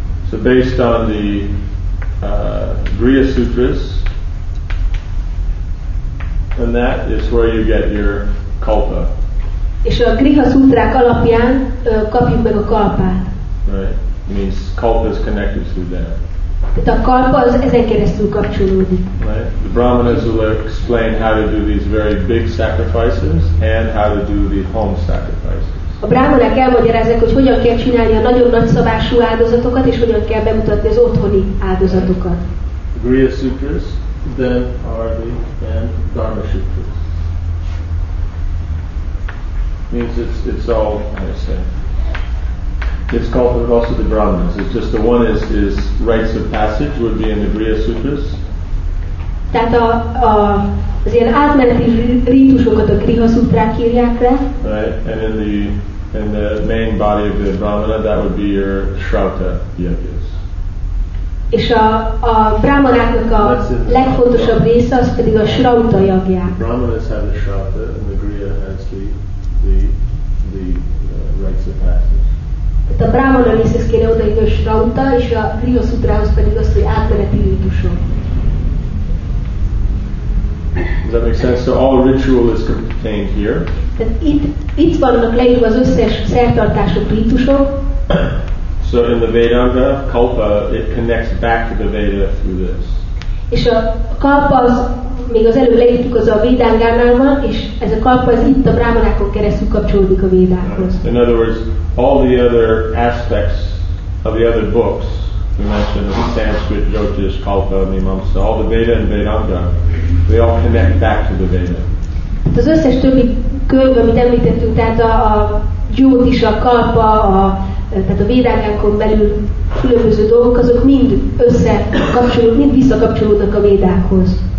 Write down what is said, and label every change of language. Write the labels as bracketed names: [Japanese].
[English] So based on the Griha Sutras, and that is where you get your kalpa. [Hungarian] És a Griha Sutrák alapján kapjuk meg a kalpát. [English] Right. Means kalpa is connected to that. [Hungarian] Tehát a kalpa az ezen keresztül kapcsolódik. [English] Right. The Brahmanas will explain how to do these very big sacrifices and how to do the home sacrifices. [Hungarian] A brahmanák elmagyarázzák, hogy hogyan kell csinálni a nagyon nagy szabású áldozatokat, és hogyan kell bemutatni az otthoni áldozatokat. [English] Griha Sutras, then Ardi and Dharma Sutras. Means it's all, I say. It's called also the Brahmanas. It's just the one is rites of passage would be in the Griha Sutras. [Hungarian] Tehát az ilyen átmeneti rítusokat a Griha Sutrák írják le. [English] Right, and in the main body of the Brahmana, that would be your Shrauta Yajnas. [Hungarian] És a Brahmanáknak a legfontosabb része az pedig a Shrauta Yajnák. [English] The Brahmanas have the Shrauta, and the Griha has the rites of passage. [Hungarian] Tehát a Brahmana részhez kéne oda a Shrauta, és a Griha Sutrához pedig azt, hogy átmeneti rítusok. [English] Does that make sense? So all ritual is contained here. [Hungarian] Tehát itt vannak leírva az összes szertartások, rítusok. [English] So in the Vedanga, kalpa, it connects back to the Veda through this. [Hungarian] És a kalpa az, még az előbb leírtuk, az a Vedangánál van, és ez a kalpa az itt a Brahmanákon keresztül kapcsolódik a Vedákhoz. [English] In other words, all the other aspects of the other books, we mentioned in Sanskrit, Jyotish, Kalpa, Mimamsa, all the Veda and Vedanga, they all connect back to the Veda. [Hungarian] Az összes többi könyv, amit említettünk, tehát a Jyotish, a Kalpa, a tehát a védágánkon belül különböző dolgok, azok mind összekapcsolódnak, mind visszakapcsolódnak a védákhoz.